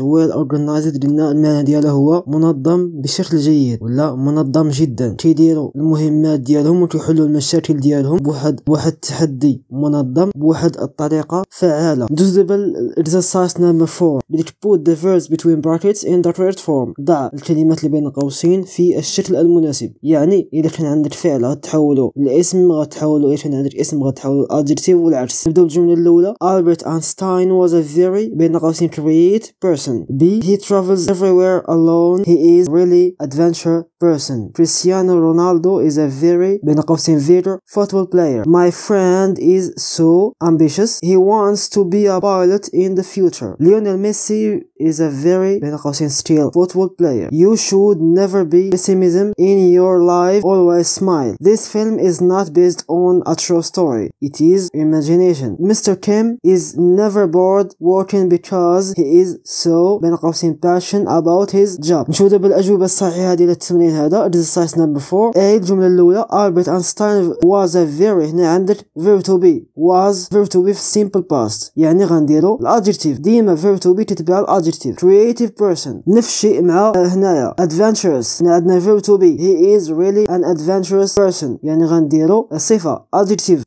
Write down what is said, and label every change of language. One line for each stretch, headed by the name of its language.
Arabic: well organized قلنا المعنى ديالها هو منظم بشكل جيد ولا منظم جدا. كيديروا المهمات ديالهم وكيحلوا المشاكل ديالهم بواحد التحدي منظم بواحد الطريقه فعاله.
English: ندوز دابا exercise number 4 اللي put the verbs between brackets in the correct form.
Arabic: ضع الكلمات اللي بين قوسين في الشكل المناسب. يعني اذا كان عندك فعل غتحولوا الاسم غتحولوا اذا كان عندك اسم غتحولوا الادجكتيف والعكس.
English: نبدأ الجملة الأولى Albert Einstein was a very بين قوسين great person. B he travels everywhere alone he is really adventure person. Cristiano Ronaldo is a very بين قوسين very football player. My friend is so ambitious he wants to be a pilot in the future. Lionel Messi is a very بين قوسين skilled football player. You should never be pessimism in your life always smile. This film is not based on a true story it is imagination. Mr. Kim is never bored working because he is so بين قوسين passionate about his job.
Arabic: نشوف دابا الأجوبة الصحيحة ديال التمرين هذا exercise number 4.
English: A الجملة الأولى Albert Einstein was a very هنا عندك verb to be was verb to be في simple past يعني غنديرو الadjective ديما verb to be تتبع الadjective creative person. نفس الشيء مع هنايا adventurous هنا عندنا verb to be he is really an adventurous person يعني غنديرو صفة adjective.